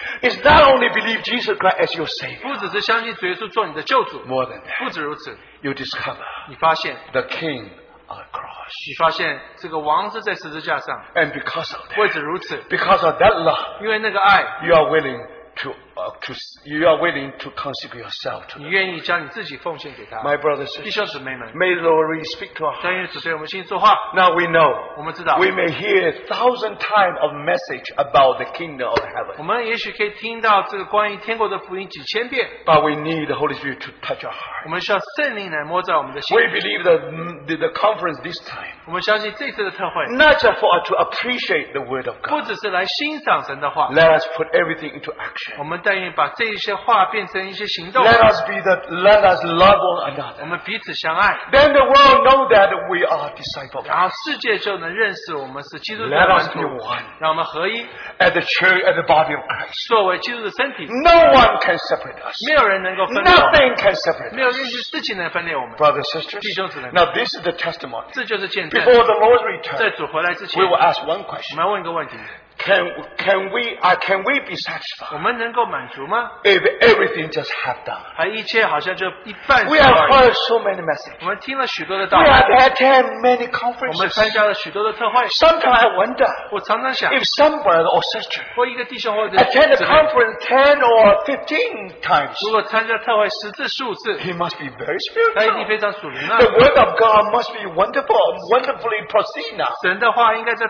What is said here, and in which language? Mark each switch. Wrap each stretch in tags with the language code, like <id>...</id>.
<en>it's not only believe Jesus Christ as your Savior.</en> <zh>不只是相信主耶稣做你的救主,</zh> <en>more than that.</en> <zh>不止如此,</zh> <en>you discover,</en> <zh>你发现,</zh> <en>the King of the cross.</en> <zh>你发现这个王是在十字架上,</zh> <en>and because of that,</en> <zh>为止如此,</zh> <en>because of that love,</en> <zh>因为那个爱,</zh> <en>you are willing to you are willing to consecrate yourself to God. My brothers and sisters, may the Lord really speak to us. Now we know,</en> <zh>我们知道,</zh> <en>we may hear 1,000 times of message about the kingdom of heaven, but we need the Holy Spirit to touch our heart.</en> <zh>我们需要圣灵来摸在我们的心里,</zh> <en>we believe the conference this time,</en> <zh>我们相信这次的特会,</zh> <en>not just for us to appreciate the word of God,</en> <zh>不只是来欣赏神的话,</zh> <en>let us put everything into action.</en> <zh>我们但愿把这些话变成一些行动,</zh> <en>let us love one another,</en> <zh>我们彼此相爱,</zh> <en>then the world know that we are disciples,</en> <zh>然后世界就能认识我们是基督的门徒,</zh> <en>let us be one,</en> <zh>让我们合一,</zh> <en>at the church, at the body of Christ,</en> <zh>作为基督的身体,</zh> <en>no one can separate us,</en> <zh>没有人能够分裂我们,</zh> <en>nothing can separate us,</en> <zh>没有任何事情能分裂我们,</zh> <en>brothers and sisters,</en> <zh>弟兄姊妹们,</zh> <en>now this is the testimony,</en> <zh>这就是见证,</zh> <en>before the Lord returns,</en> <zh>在主回来之前,</zh> <en>we will ask one question,</en> <zh>我们要问一个问题,</zh> <en>Can we be satisfied?</en> <zh>我们能够满足吗?</zh> <en>If everything just have done,</en> <zh>还一切好像就一半,</zh> <en>we have heard so many messages,</en> <zh>我们听了许多的道,</zh> <en>we have attended many conferences,</en> <zh>我们参加了许多的特会,</zh> <en>sometimes I wonder,</en> <zh>我常常想,</zh> <en>if some brother or sister,</en> <zh>或一个弟兄或者,</zh> <en>attend a conference 10 or 15 times,</en> <zh>如果参加特会十次数次,</zh> <en>he must be very spiritual,</en> <zh>他一定非常属灵啊,</zh> <en>the word of God must be wonderful, wonderfully proceed,</en>